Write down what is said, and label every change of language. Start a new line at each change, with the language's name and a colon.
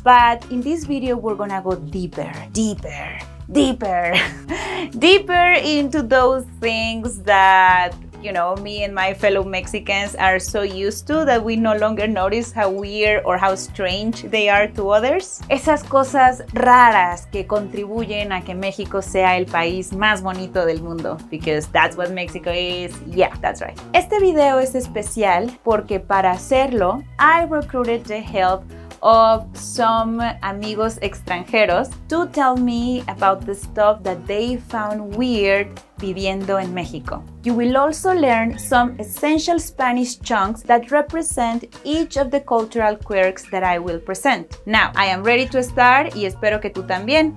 English: But in this video, we're gonna go deeper into those things that, you know, me and my fellow Mexicans are so used to that we no longer notice how weird or how strange they are to others.
Spanish: Esas cosas raras que contribuyen a que México sea el país más bonito del mundo.
English: Because that's what Mexico is. Yeah, that's right.
Spanish: Este video es especial porque para hacerlo,
English: I recruited the help of some
Spanish: amigos extranjeros
English: to tell me about the stuff that they found weird
Spanish: viviendo en México.
English: You will also learn some essential Spanish chunks that represent each of the cultural quirks that I will present. Now, I am ready to start
Spanish: y espero que tú también.